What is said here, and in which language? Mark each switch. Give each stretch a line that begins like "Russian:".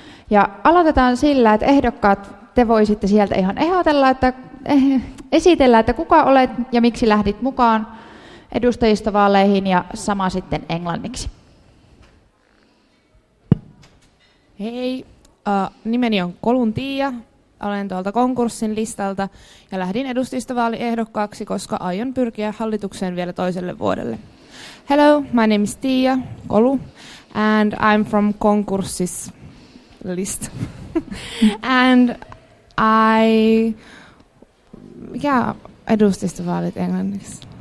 Finnish: Ja aloitetaan sillä, että ehdokkaat, te voisitte sieltä ihan ehdotella, että esitellä, että kuka olet ja miksi lähdit mukaan edustajistovaaleihin, ja sama sitten englanniksi. Hei, nimeni on Kolun Tiia. Olen tuolta konkurssin listalta ja lähdin edustajistovaaliehdokkaaksi, koska aion pyrkiä hallitukseen vielä toiselle vuodelle.
English: Hello, my name is Tiia Kolu and I'm from konkurssis list. And I...
Finnish: Mikä edustajistovaalit englanniksi?